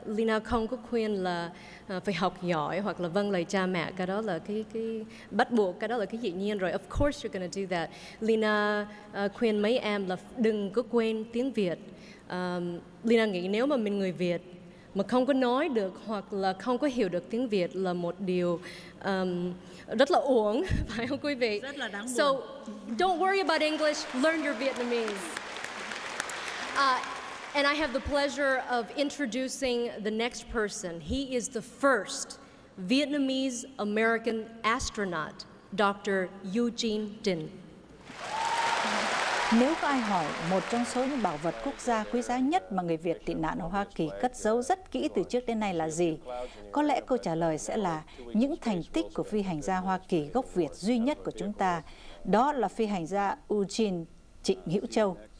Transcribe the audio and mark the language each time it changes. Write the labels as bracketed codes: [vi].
[vi] Lina không có khuyên là phải học giỏi hoặc là vâng lời cha mẹ, cái đó là cái bắt buộc, cái đó là cái dĩ nhiên rồi. [en] Of course you're gonna do that. [vi] Lina khuyên mấy em là đừng có quên tiếng Việt. Lina nghĩ nếu mà mình người Việt mà không có nói được hoặc là không có hiểu được tiếng Việt là một điều rất là uổng, phải không quý vị? Rất là đáng buồn. [en] So don't worry about English, learn your Vietnamese. And I have the pleasure of introducing the next person. He is the first Vietnamese American astronaut, Dr. Eugene Dinh. [vi] Nếu có ai hỏi một trong số những bảo vật quốc gia quý giá nhất mà người Việt tị nạn ở Hoa Kỳ cất giấu rất kỹ từ trước đến nay là gì, có lẽ câu trả lời sẽ là những thành tích của phi hành gia Hoa Kỳ gốc Việt duy nhất của chúng ta, đó là phi hành gia Eugene Trịnh Hữu Châu.